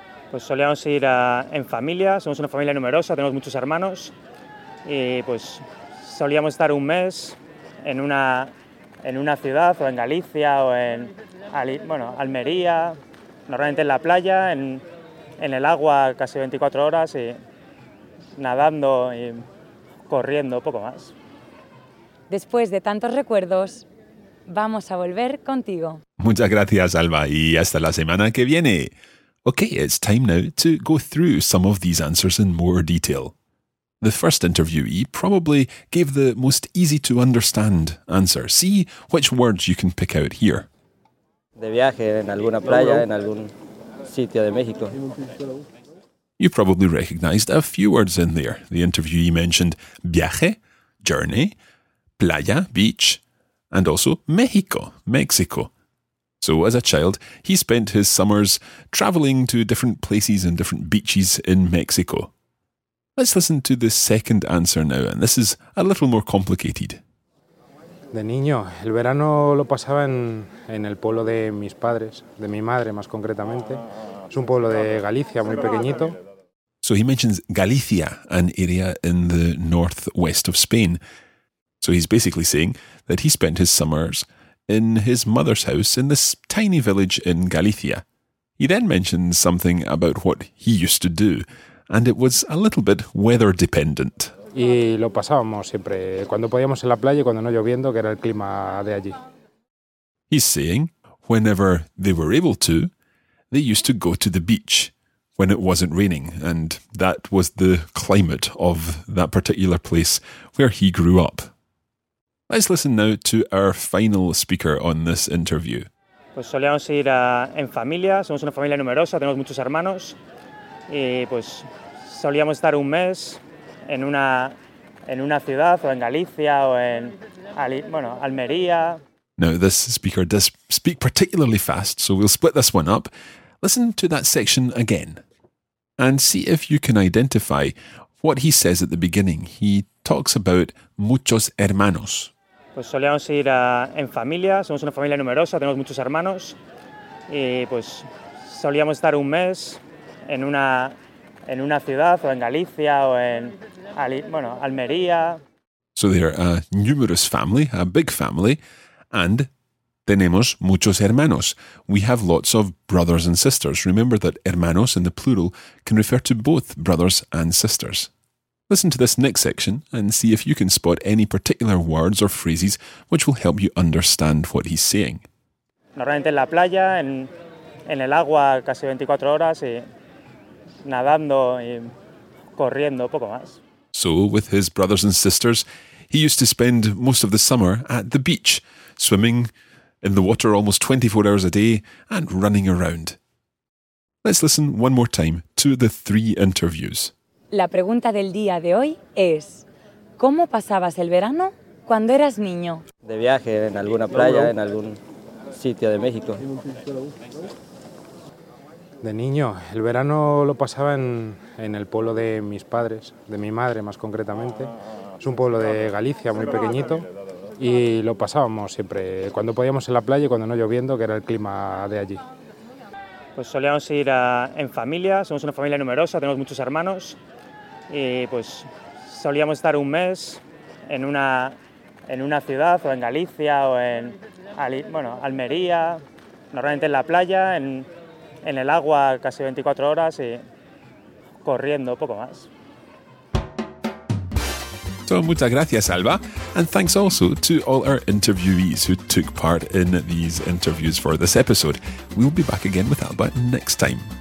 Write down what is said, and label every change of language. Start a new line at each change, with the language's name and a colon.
Spanish: Pues solíamos ir en familia, somos una familia numerosa, tenemos muchos hermanos, y pues solíamos estar un mes en una ciudad, o en Galicia, o en Almería, normalmente en la playa, en el agua casi 24 horas, y nadando y corriendo, poco más. Después de tantos recuerdos, vamos a volver contigo. Muchas gracias, Alba, y hasta la semana que viene.
English: Okay, it's time now to go through some of these answers in more detail. The first interviewee probably gave the most easy to understand answer. See which words you can pick out here.
Spanish: De viaje en alguna playa, en algún sitio de México.
English: You probably recognized a few words in there. The interviewee mentioned viaje, journey, playa, beach, and also México, Mexico. So as a child, he spent his summers traveling to different places and different beaches in Mexico. Let's listen to the second answer now, and this is a little more complicated.
Spanish: De niño, el verano lo pasaba en el pueblo de mis padres, de mi madre más concretamente. Es un pueblo de Galicia, muy pequeñito.
English: So he mentions Galicia, an area in the northwest of Spain. So he's basically saying that he spent his summers in his mother's house in this tiny village in Galicia. He then mentions something about what he used to do, and it was a little bit weather dependent.
Spanish: Y lo pasábamos siempre, cuando podíamos en la playa y cuando no lloviendo, que era el clima de allí.
English: He's saying, whenever they were able to, they used to go to the beach when it wasn't raining, and that was the climate of that particular place where he grew up. Let's listen now to our final speaker on this interview.
Spanish: Pues solíamos ir en familia, somos una familia numerosa, tenemos muchos hermanos, y pues solíamos estar un mes en una ciudad, o en Galicia, o en Almería.
English: Now, this speaker does speak particularly fast, so we'll split this one up. Listen to that section again, and see if you can identify what he says at the beginning. He talks about
Spanish: muchos hermanos. Pues solíamos ir en familia, somos una familia numerosa, tenemos muchos hermanos, y pues solíamos estar un mes en una ciudad, o en Galicia, o en Almería.
English: So they're a numerous family, a big family, and
Spanish: tenemos muchos hermanos.
English: We have lots of brothers and sisters. Remember that hermanos in the plural can refer to both brothers and sisters. Listen to this next section and see if you can spot any particular words or phrases which will help you understand what he's saying.
Spanish: Normalmente en la playa, en el agua casi 24 horas y nadando y corriendo, poco más.
English: So, with his brothers and sisters, he used to spend most of the summer at the beach, swimming in the water almost 24 hours a day and running around. Let's listen one more time to the three interviews.
Spanish: La pregunta del día de hoy es, ¿cómo pasabas el verano cuando eras niño? De viaje en alguna playa, en algún sitio de México. De niño, el verano lo pasaba en el pueblo de mis padres, de mi madre más concretamente. Es un pueblo de Galicia, muy pequeñito, y lo pasábamos siempre, cuando podíamos en la playa y cuando no lloviendo, que era el clima de allí. Pues solíamos ir en familia, somos una familia numerosa, tenemos muchos hermanos, y pues solíamos estar un mes en una ciudad, o en Galicia, o en Almería, normalmente en la playa, en el agua casi 24 horas y corriendo poco más. So, muchas gracias, Alba.
English: And thanks also to all our interviewees who took part in these interviews for this episode. We'll be back again with Alba next time.